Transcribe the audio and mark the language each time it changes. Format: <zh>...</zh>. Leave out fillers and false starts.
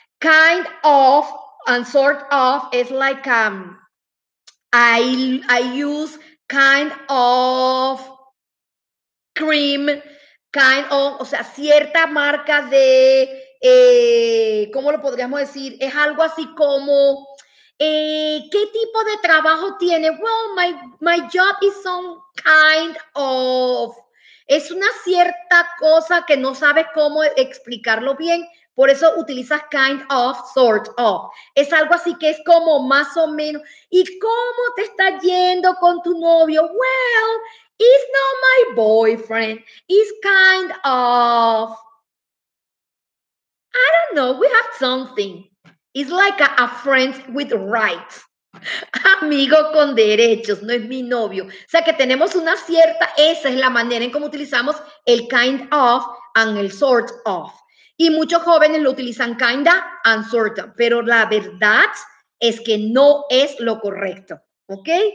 <en>Kind of and sort of is like I use kind of cream, kind of,</en> <es>o sea, cierta marca de, ¿cómo lo podríamos decir? Es algo así como, ¿qué tipo de trabajo tiene?</es> <en>Well, my job is some kind of.</en> <es>Es una cierta cosa que no sabes cómo explicarlo bien. Por eso utilizas kind of, sort of. Es algo así que es como más o menos. ¿Y cómo te está yendo con tu novio?</es> <en>Well, he's not my boyfriend. He's kind of, I don't know, we have something. It's like a friend with rights.</en> <es>Amigo con derechos, no es mi novio. O sea que tenemos una cierta, esa es la manera en cómo utilizamos el kind of and el sort of. Y muchos jóvenes lo utilizan kinda and sorta, pero la verdad es que no es lo correcto, ¿ok?</es>